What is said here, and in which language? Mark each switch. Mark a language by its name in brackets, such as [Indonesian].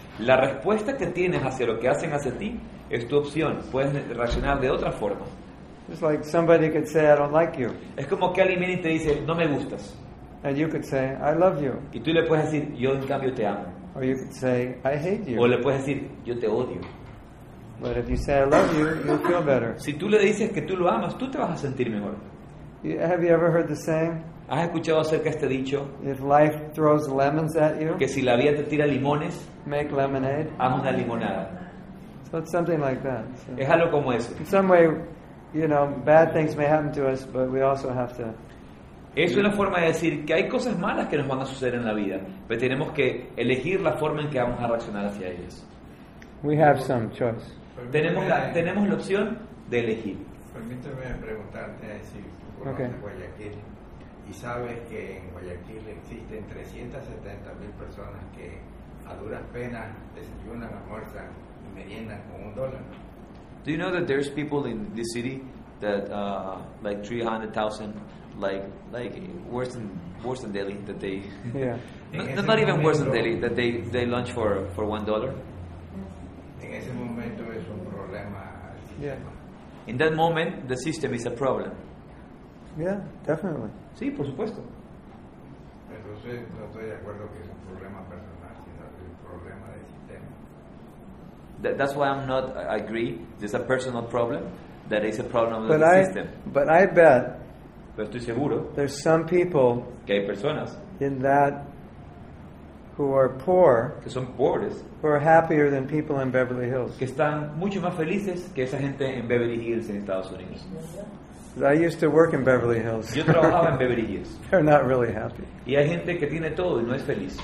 [Spanish] La respuesta que tienes hacia lo que hacen hacia ti es tu opción. Puedes reaccionar de otra forma. [English] It's like somebody could say, "I don't like you." [Spanish] Es como que alguien viene y te dice, "No me gustas." [English] And you could say, "I love you." [Spanish] Y tú le puedes decir, "Yo en cambio te amo." [English] Or you could say, "I hate you." [Spanish] O le puedes decir, "Yo te odio." [English] But if you say, "I love you," you'll feel better. [Spanish] Si tú le dices que tú lo amas, tú te vas a sentir mejor. [English] Have you ever heard the saying? [Spanish] ¿Has escuchado acerca de este dicho? [English] If life throws lemons at you, [Spanish] que si la vida te tira limones, [English] make lemonade. [Spanish] Haz una limonada. [English] So it's something like that. So [Spanish] es algo como eso. [English] In some way, you know, bad things may happen to us, but we also have to. [Spanish] Es una forma de decir que hay cosas malas que nos van a suceder en la vida, pero tenemos que elegir la forma en que vamos a reaccionar hacia ellas. [English] We have some choice. [Spanish] Tenemos la opción de elegir. Permíteme preguntarte, si tú conoces Guayaquil y sabes que en Guayaquil existen 370,000 personas que a duras penas desayunan, almuerzan y meriendan con un dólar. [English] Do you know that there's people in this city that like 300,000 like worse than Delhi that they not even worse than Delhi that they lunch for $1. [Spanish] En ese momento es un problema. [English] In that moment the system is a problem. Yeah, definitely. [Spanish] Sí, por supuesto. Entonces no estoy de acuerdo que es un problema personal sino un problema del sistema. [English] That's why I'm not agree. There's a personal problem that is a problem of the system. But I bet. [Spanish] Pero estoy seguro. [English] There's some people [Spanish] que hay personas [English] in that who are poor, [Spanish] que son pobres, [English] who are happier than people in Beverly Hills, [Spanish] que están mucho más felices que esa gente en Beverly Hills en Estados Unidos. [English] I used to work in Beverly Hills. [Spanish] Yo trabajaba en Beverly Hills. [English] They're not really happy. [Spanish] Y hay gente que tiene todo y no es feliz.